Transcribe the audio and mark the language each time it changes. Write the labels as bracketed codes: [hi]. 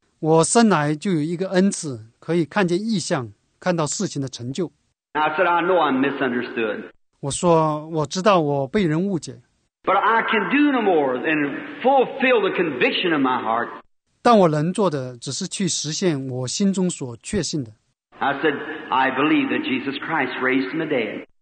[zh] 我生来就有一个恩赐，可以看见异象，看到事情的成就。 [en] I said I know I'm misunderstood. [zh] 我说我知道我被人误解。 [en] But I can do no more than fulfill the conviction of my heart. [zh] 但我能做的只是去实现我心中所确信的。 [en] I said I believe that Jesus Christ raised from the dead.